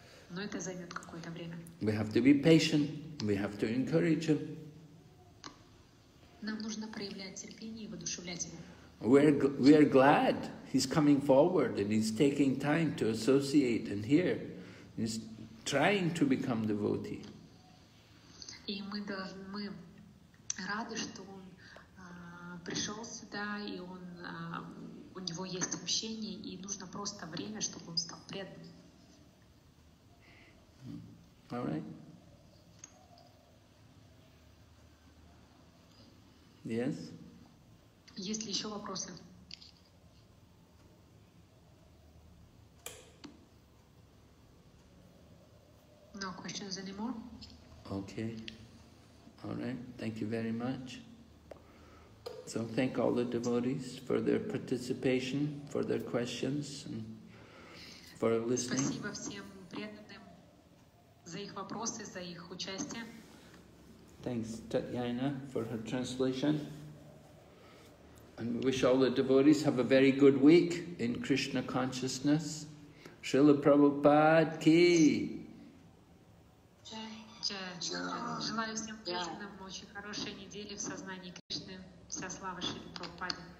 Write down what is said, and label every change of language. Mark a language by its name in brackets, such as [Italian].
[Russian] Но это займет какое-то время. [English] We have to be patient, we have to encourage him. [Russian] Нам нужно проявлять терпение и воодушевлять его. [English] We are glad he's coming forward and he's taking time to associate and hear. He's trying to become devotee. [Russian] И мы рады, что он пришел сюда, и он у него есть общение, и нужно просто время, чтобы он стал преданным. [English] All right. Yes. [Russian] Есть ли еще вопросы? [English] No questions anymore. Okay. All right. Thank you very much. So thank all the devotees for their participation, for their questions, and for listening. [Russian] Спасибо всем преданным за их вопросы, за их участие. [English] Thanks, Татьяна, for her translation. And we wish all the devotees have a very good week in Krishna consciousness. Srila Prabhupada ki. [Russian] Желаю всем преданным очень хорошей недели в сознании Кришны. Вся слава Шри Прабхупаде.